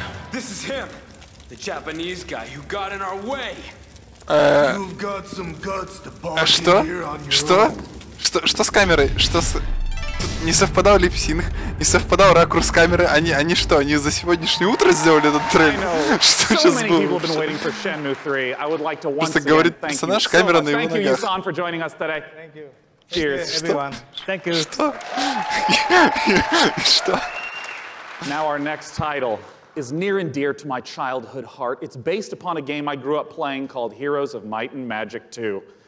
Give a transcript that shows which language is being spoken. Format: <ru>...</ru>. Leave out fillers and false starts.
<en>This is him, the Japanese guy who got in our way. You've got some guts to bomb here on your own.</en> <ru>Что? Что? Что с камерой? Что с... Не совпадал липсинг, не совпадал ракурс камеры. Они что? Они за сегодняшнее утро сделали этот трейлер? Что сейчас было? Просто говорит персонаж, камера на его ногах.</ru> <en>Thank you, Yu-san, for joining us today. Cheers, everyone. Thank you.</en> <ru>Что? Что?</ru> <en>Now our next title is near and dear to my childhood heart. It's based upon a game I grew up playing called Heroes of Might and Magic 2.</en>